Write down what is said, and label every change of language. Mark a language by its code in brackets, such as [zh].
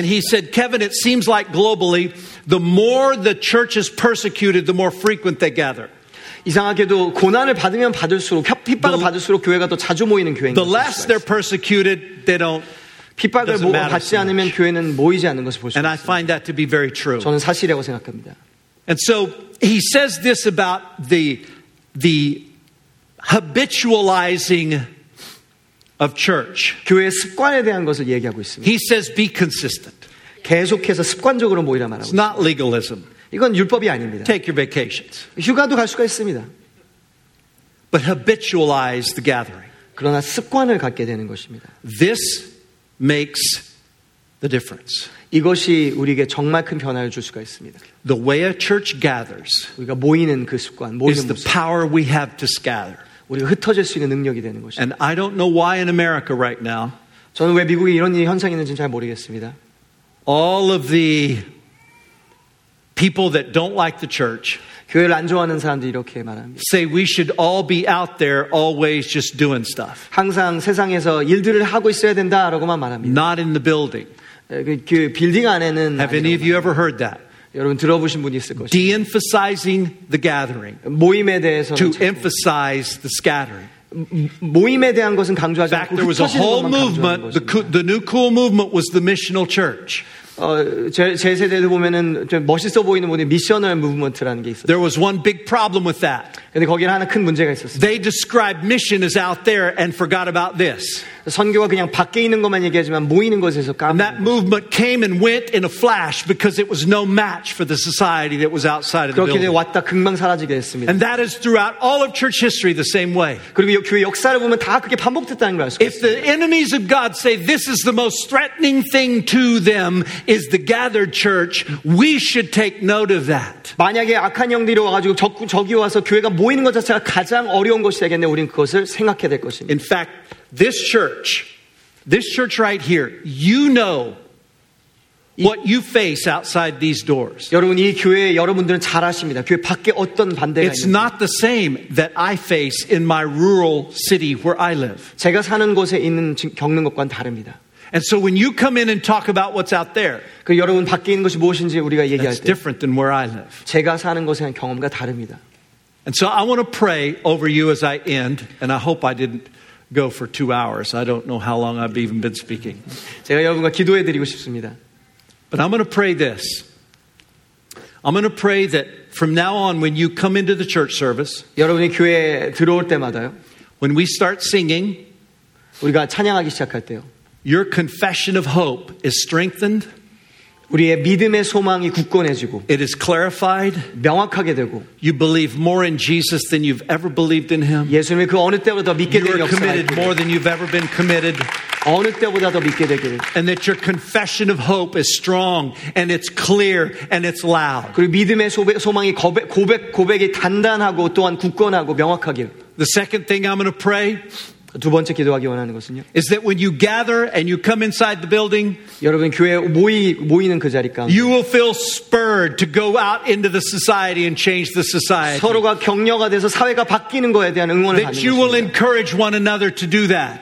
[en] And he said, Kevin, it seems like globally, the more the church is persecuted, the more frequent they gather. [ko] 이상하게도 고난을 받으면 받을수록 핍박을 받을수록 교회가 더 자주 모이는 교회인 것 같습니다. [en] The less they're persecuted, they don't. [ko] 핍박을 받지 않으면 교회는 모이지 않는 것을 볼 수 있습니다. [en] And I find that to be very true. [ko] 저는 사실이라고 생각합니다. [en] And so he says this about the habitualizing of church. [ko] 교회의 습관에 대한 것을 얘기하고 있습니다. [en] He says be consistent. [ko] 계속해서 습관적으로 모이라 말하고 있습니다. [en] It's not legalism. [ko] 이건 율법이 아닙니다. [en] Take your vacations. [ko] 휴가도 갈 수가 있습니다. [en] But habitualize the gathering. [ko] 그러나 습관을 갖게 되는 것입니다. [en] This makes the difference. [ko] 이것이 우리에게 정말 큰 변화를 줄 수가 있습니다. [en] The way a church gathers [ko] 우리가 모이는 그 습관, 모이는 [en] is the power we have to scatter. [ko] 우리가 흩어질 수 있는 능력이 되는 것이. [en] And I don't know why in America right now. [ko] 저는 왜 미국에 이런 일이 현상이 있는지 잘 모르겠습니다. [en] All of the people that don't like the church [ko] 교회를 안 좋아하는 사람들이 이렇게 말합니다. [en] Say we should all be out there always just doing stuff. [ko] 항상 세상에서 일들을 하고 있어야 된다라고만 말합니다. [en] Not in the building. [ko] 그 빌딩 안에는 [en] Have any of you ever heard that? [ko] 여러분 들어보신 분 있을 것이죠. [en] De-emphasizing the gathering. [ko] 모임에 대해서 [en] To emphasize the scattering. [ko] 모임에 대한 것은 강조하지 않고 흩어지는 것만 강조하는 movement, 것입니다. [en] The new cool movement was the missional church. [ko] 제 세대도 보면은 좀 멋있어 보이는 분이 미셔널 무브먼트라는 게 있어요. [en] There was one big problem with that. [ko] 근데 거기는 하나 큰 문제가 있었어요. [en] They described mission as out there and forgot about this. [ko] 선교가 그냥 밖에 있는 것만 얘기하지만 모이는 것에서 까먹는 [en] That movement came and went in a flash because it was no match for the society that was outside of the building. [ko] 그렇게 왔다 금방 사라지게 됐습니다. [en] And that is throughout all of church history the same way. [ko] 그리고 교회 역사를 보면 다 그게 반복됐다는 걸 알 수 있어요. [en] If the enemies of God say this is the most threatening thing to them is the gathered church, we should take note of that. [ko] 만약에 악한 영들이 와가지고 적이 와서 교회가 모이는 것 자체가 가장 어려운 것이 되겠네. 우리는 그것을 생각해야 될 것입니다. [en] In fact, this church right here, you know what you face outside these doors. [ko] 여러분 이 교회 여러분들은 잘 아십니다. 교회 밖에 어떤 반대가 있는지. [en] It's not the same that I face in my rural city where I live. [ko] 제가 사는 곳에 있는 겪는 것과는 다릅니다. [en] And so when you come in and talk about what's out there, [ko] 그 여러분 밖에 있는 것이 무엇인지 우리가 얘기할 때, [en] that's different than where I live. [ko] 제가 사는 곳에 대한 경험과 다릅니다. [en] And so I want to pray over you as I end, and I hope I didn't go for 2 hours. I don't know how long I've even been speaking. [ko] 제가 여러분과 기도해 드리고 싶습니다. [en] But I'm going to pray this. I'm going to pray that from now on, when you come into the church service, [ko] 여러분이 교회에 들어올 때마다요, [en] when we start singing, [ko] 우리가 찬양하기 시작할 때요, [en] your confession of hope is strengthened. [ko] 우리의 믿음의 소망이 굳건해지고 [en] It is clarified. [ko] 명확하게 되고 [en] You believe more in Jesus than you've ever believed in him. [ko] 예수님을 그 어느 때보다 믿게 되기를 [en] You are committed more than you've ever been committed. [ko] 어느 때보다 더 믿게 되기를 [en] And that your confession of hope is strong and it's clear and it's loud. [ko] 그리고 믿음의 소망이 고백이 단단하고 또한 굳건하고 명확하길 [en] The second thing I'm going to pray [ko] 두 번째 기도하기 원하는 것은요. [en] Is that when you gather and you come inside the building, [ko] 여러분 교회 모이는 그 자리 가운데, [en] you will feel spurred to go out into the society and change the society. [ko] 서로가 격려가 돼서 사회가 바뀌는 거에 대한 응원을 받는 것입니다. [en] That you will encourage one another to do that.